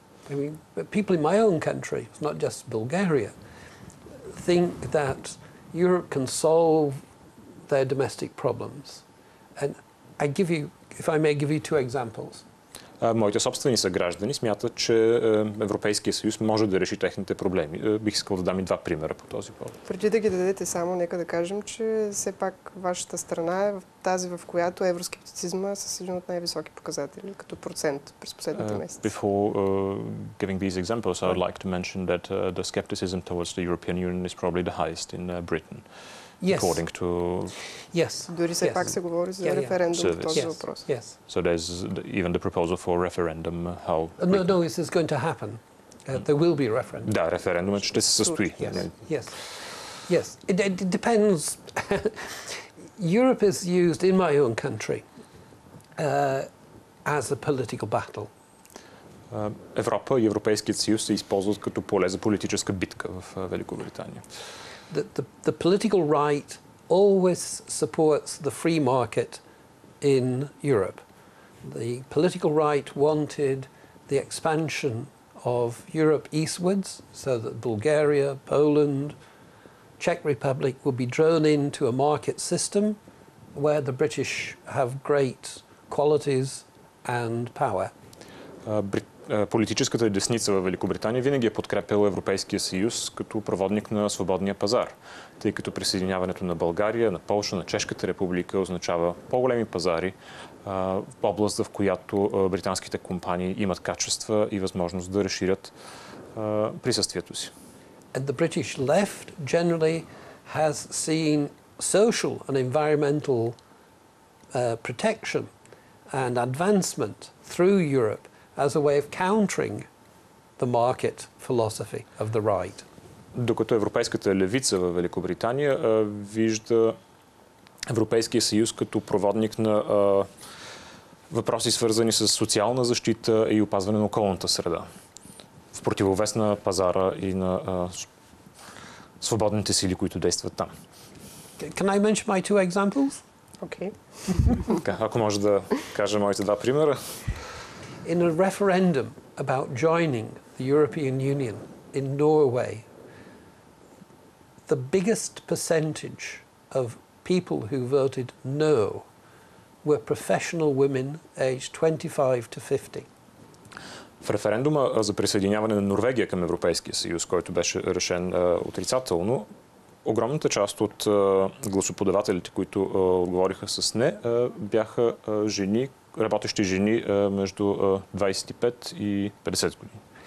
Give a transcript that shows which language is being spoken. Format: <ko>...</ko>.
<en>I mean, people in my own country, not just Bulgaria, think that Europe can solve their domestic problems. And I give you, if I may give you two examples.</en> <bg>Моите собствени съграждани смятат, че Европейския съюз може да реши техните проблеми. Бих искал да дам и два примера по този повод. Преди да ги дадете само, нека да кажем, че все пак вашата страна е тази, в която евроскептицизма е с един от най-високи показатели, като процент през последните месеци.</bg> <en>Before giving these examples, I would like to mention that the skepticism towards the European Union is probably the highest in Britain. Yes. According to... Yes.</en> <bg>Дори все</bg> <en>yes.</en> <bg>пак се говори за</bg> <en>yeah,</en> <bg>референдум</bg> <en>yeah.</en> <bg>в този</bg> <en>yes.</en> <bg>въпрос.</bg> <en>Yes. So there's even the proposal for a referendum. How... No, this is going to happen. There will be a referendum.</en> <bg>Да, референдум, ще се състои.</bg> <en>Yes. It depends. Europe is used in my own country as a political battle.</en> <bg>Европа и Европейският съюз се използват като поле за политическа битка в Великобритания.</bg> <en>The political right always supports the free market in Europe. The political right wanted the expansion of Europe eastwards so that Bulgaria, Poland, Czech Republic would be drawn into a market system where the British have great qualities and power.</en> <bg>Политическата десница в Великобритания винаги е подкрепила Европейския съюз като проводник на свободния пазар, тъй като присъединяването на България, на Полша, на Чешката република означава по-големи пазари, област, в която британските компании имат качества и възможност да разширят присъствието си.</bg> <en>And the British left generally has seen social and environmental protection and advancement through Europe as a way of countering the market philosophy of the right.</en> <bg>Докато европейската левица в Великобритания вижда Европейския съюз като проводник на въпроси, свързани с социална защита и опазване на околната среда, в противовес на пазара и на свободните сили, които действат там.</bg> <en>Can I mention my two examples? Okay.</en> <bg>Така, ако може да кажа моите два примера.</bg> <en>In a referendum about joining the European Union in Norway, the biggest percentage of people who voted no were professional women aged 25 to 50.</en> <bg>В референдума за присъединяване на Норвегия към Европейския съюз, който беше решен отрицателно, огромната част от гласоподавателите, които отговориха с не, бяха жени, работещи жени между 25 и 50 години.</bg>